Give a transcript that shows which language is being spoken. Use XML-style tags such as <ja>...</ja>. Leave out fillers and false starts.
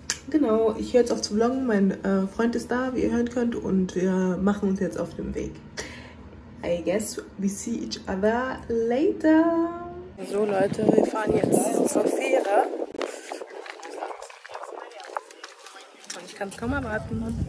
<de>Genau, ich höre jetzt auf zu vloggen. Mein Freund ist da, wie ihr hören könnt, und wir machen uns jetzt auf den Weg.</de> <en>I guess we see each other later.</en> <de>So Leute, wir fahren jetzt zur Fähre. Und ich kann es kaum erwarten.</de>